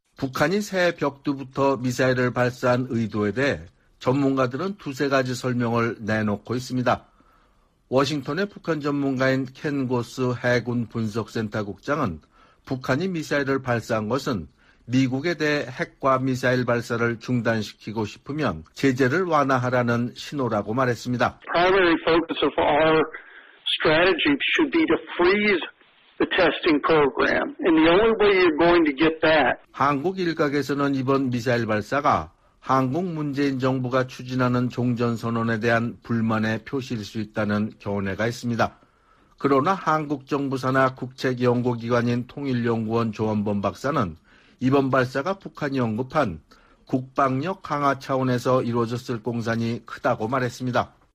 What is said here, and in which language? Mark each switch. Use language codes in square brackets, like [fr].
[ko] 북한이 새해 벽두부터 미사일을 발사한 의도에 대해 전문가들은 두세 가지 설명을 내놓고 있습니다. 워싱턴의 북한 전문가인 켄 고스 해군 분석센터 국장은 북한이 미사일을 발사한 것은 미국에 대해 핵과 미사일 발사를 중단시키고 싶으면 제재를 완화하라는 신호라고 말했습니다. [en] Primary focus of our strategy should be to freeze the testing program. And the only way you're going to get that. [ko] 한국 일각에서는 이번 미사일 발사가 한국 문재인 정부가 추진하는 종전선언에 대한 불만의 표시일 수 있다는 견해가 있습니다. 그러나 한국 정부 산하 국책연구기관인 통일연구원 조원범 박사는 이번 발사가 북한이 언급한 국방력 강화 차원에서 이루어졌을 공산이 크다고 말했습니다.